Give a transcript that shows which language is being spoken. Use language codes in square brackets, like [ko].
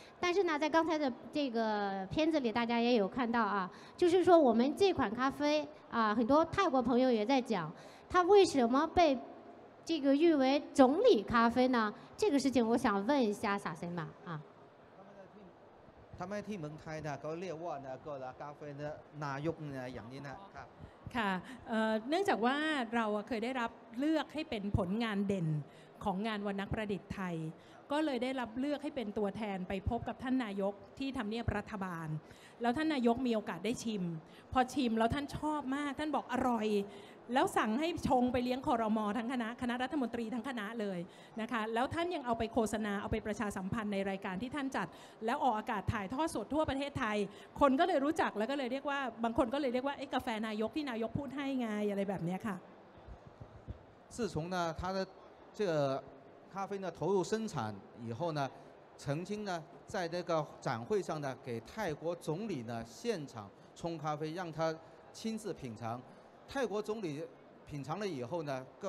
[zh] 但是呢在刚才的这个片子里大家也有看到啊，就是说我们这款咖啡啊，很多泰国朋友也在讲它为什么被这个誉为总理咖啡呢这个事情我想问一下萨森玛啊他们听门开的高烈沃的高的咖啡的那用的养的呢 [th] ค่ะเนื่องจากว่าเราเคยได้รับเลือกให้เป็นผลงานเด่นของงานวันนักประดิษฐ์ไทยก็เลยได้รับเลือกให้เป็นตัวแทนไปพบกับท่านนายกที่ทำเนียบรัฐบาลแล้วท่านนายกมีโอกาสได้ชิมพอชิมแล้วท่านชอบมากท่านบอกอร่อยแล้วสั่งให้ชงไปเลี้ยงครม. ทั้งคณะคณะรัฐมนตรีทั้งคณะเลยนะคะแล้วท่านยังเอาไปโฆษณาเอาไปประชาสัมพันธ์ในรายการที่ท่านจัดแล้วออกอากาศถ่ายทอดสดทั่วประเทศไทยคนก็เลยรู้จักแล้วก็เลยเรียกว่าบางคนก็เลยเรียกว่าไอ้กาแฟนายกที่นายกพูดให้ไงอะไรแบบนี้ค่ะ [zh] 自从呢他的这个咖啡呢投入生产以后呢曾经呢在那个展会上呢给泰国总理呢现场冲咖啡让他亲自品尝泰国总理品尝了以后呢